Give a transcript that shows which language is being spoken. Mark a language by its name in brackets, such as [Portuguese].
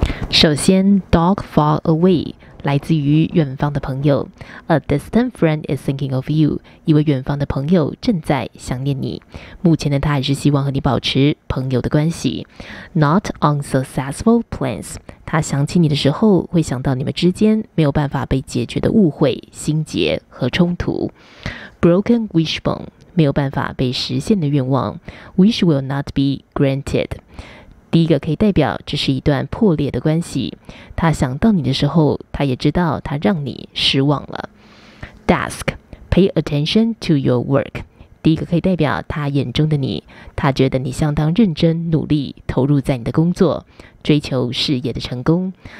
[Chinese] 首先 Dog Far Away 来自于远方的朋友， [English] A distant friend is thinking of you， [Chinese] 一位远方的朋友正在想念你，目前的他还是希望和你保持朋友的关系。 [English] Not unsuccessful plans， [Chinese] 他想起你的时候会想到你们之间没有办法被解决的误会、心结和冲突。 Broken wishbone， 没有办法被实现的愿望， [English] Wish will not be granted。 [Chinese] 第一个可以代表这是一段破裂的关系，他想到你的时候他也知道他让你失望了。 Desk, [English] pay attention to your work， [Chinese] 第一个可以代表他眼中的你，他觉得你相当认真努力投入在你的工作，追求事业的成功。